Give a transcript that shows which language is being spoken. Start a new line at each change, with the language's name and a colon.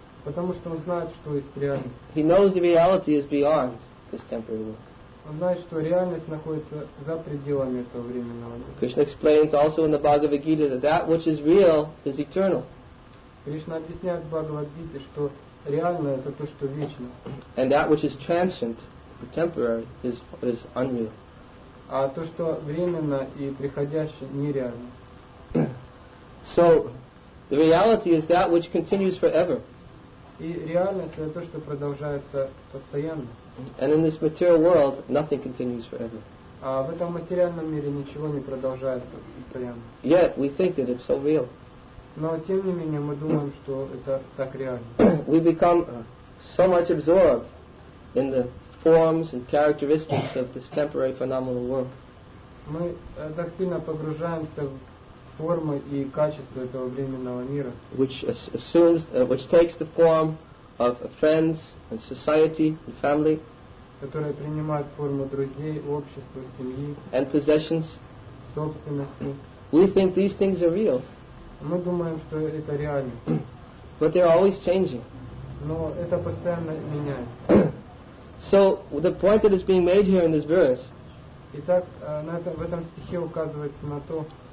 Russian: Потому что он знает, что есть реальность.
English: He knows the reality is beyond this temporary world.
Russian: Он знает, что реальность находится за пределами этого временного мира.
English: Krishna explains also in the Bhagavad Gita that that which is real is eternal.
Russian: Кришна объясняет в Бхагавад Гите, что реальное это то, что вечно.
English: And that which is transient, temporary, is unreal.
Russian: А то, что временно и приходящее, нереально.
English: So, the reality is that which continues forever.
Russian: И реальность это то, что продолжается постоянно.
English: And in this material world, nothing continues forever.
Russian: А в этом материальном мире ничего не продолжается постоянно.
English: Yet we think that it's so real.
Russian: Но тем не менее мы думаем, что это так реально.
English: We become so much absorbed in the forms and characteristics of this temporary phenomenal world.
Russian: Мы так сильно погружаемся в формы и качества этого временного мира,
English: which assumes, which takes the form of friends and society and family,
Russian: которые принимают форму друзей, общества, семьи,
English: and possessions,
Russian: собственности.
English: We think these things are real.
Russian: Мы думаем, что это реально.
English: But they are always changing.
Russian: Но это постоянно меняется.
English: So the point that is being made here in this verse,
Russian: итак, на этом, в этом стихе указывается на то,